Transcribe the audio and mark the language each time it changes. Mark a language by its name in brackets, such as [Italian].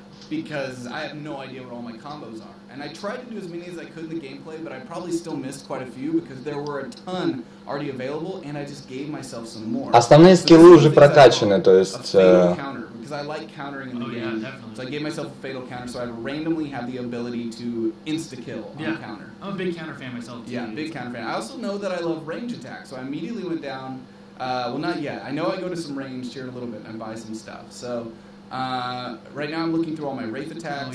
[English] Because I have no idea what all my combos are. And I tried to do as many as I could in the gameplay, but I probably still missed quite a few because there were a ton already available and I just gave myself some more. [Russian] Основные скиллы уже прокачаны, то есть... [English] A fatal counter, because I like countering in the game. Oh, yeah, definitely. So I gave myself a fatal counter, so I randomly have the ability to insta-kill on counter. I'm a big counter fan myself, too. Yeah, big counter fan. I also know that I love range attack, so I immediately went down... well, not yet. I know I go to some range here in a little bit and buy some stuff, so... right now I'm looking through all my Wraith attacks.